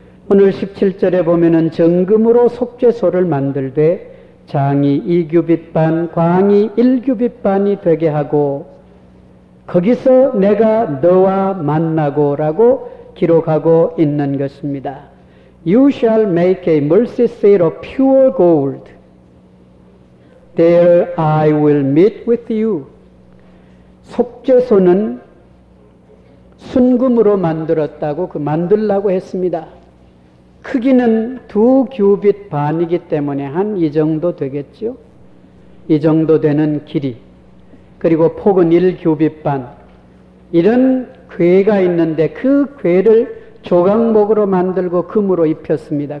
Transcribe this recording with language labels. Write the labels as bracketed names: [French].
[Korean] 오늘 17절에 보면은 정금으로 속죄소를 만들되 장이 2규빗 반, 광이 1규빗 반이 되게 하고 거기서 내가 너와 만나고 라고 기록하고 있는 것입니다. [English] You shall make a mercy seat of pure gold. There I will meet with you. [Korean] 속죄소는 순금으로 만들었다고 그 만들라고 했습니다. 크기는 두 규빗 반이기 때문에 한 이 정도 되겠죠. 이 정도 되는 길이, 그리고 폭은 1규빗 반, 이런 궤가 있는데 그 궤를 조각목으로 만들고 금으로 입혔습니다.